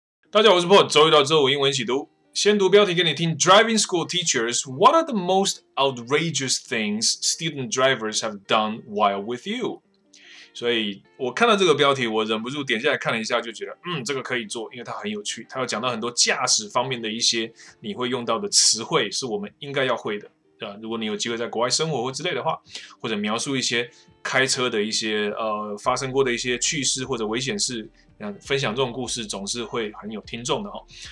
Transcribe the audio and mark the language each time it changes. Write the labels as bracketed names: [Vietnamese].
[Chinese] 大家好，我是 Paul， 周一到周五英文一起读，先读标题给你听。 [English] Driving school teachers, what are the most outrageous things student drivers have done while with you? [Chinese] 所以我看到这个标题，我忍不住点下来看了一下，就觉得这个可以做，因为它很有趣，它要讲到很多驾驶方面的一些你会用到的词汇，是我们应该要会的。如果你有机会在国外生活或之类的话，或者描述一些开车的一些发生过的一些趣事或者危险事，分享这种故事总是会很有听众的哦。